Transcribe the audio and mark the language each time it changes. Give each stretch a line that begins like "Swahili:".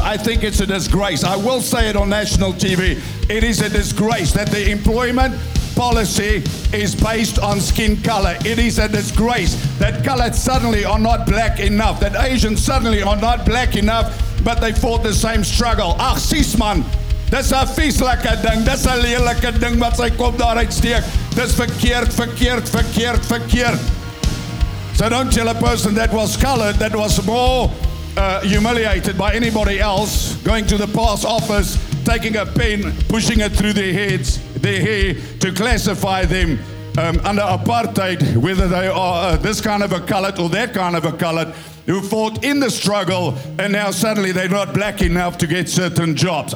English: I think it's a disgrace. I will say it on national TV. It is a disgrace that the employment policy is based on skin color. It is a disgrace that colored suddenly are not black enough, that Asians suddenly are not black enough, but they fought the same struggle.
Afrikaans: Ach, Sisman. Dis 'n vieslike ding, dis 'n lelike ding wat sy kop daar uitsteek. Dis verkeerd, verkeerd, verkeerd, verkeerd.
English: So don't tell a person that was colored, that was more humiliated by anybody else, going to the pass office, taking a pen, pushing it through their heads, their hair, to classify them under apartheid, whether they are this kind of a colored or that kind of a colored, who fought in the struggle, and now suddenly they're not black enough to get certain jobs.